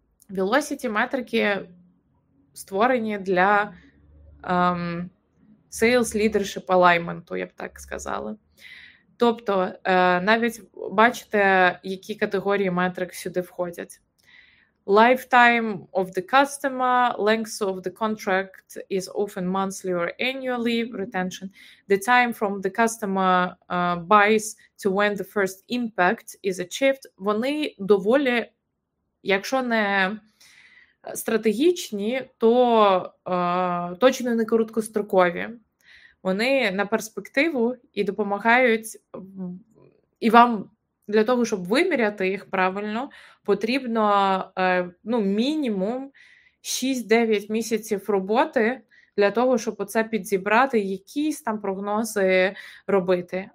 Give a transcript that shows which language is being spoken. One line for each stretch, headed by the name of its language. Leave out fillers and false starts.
Ukrainian: Velocity метрики створені для
English: sales leadership alignment,
Ukrainian: я б так сказала. Тобто, навіть бачите, які категорії метрик сюди входять.
English: Lifetime of the customer, length of the contract is often monthly or annually, retention. The time from the customer buys to when the first impact is achieved,
Ukrainian: вони доволі, якщо не стратегічні, то точно не короткострокові. Вони на перспективу і допомагають і вам. Для того, щоб виміряти їх правильно, потрібно ну, мінімум 6-9 місяців роботи для того, щоб оце підзібрати, якісь там прогнози робити.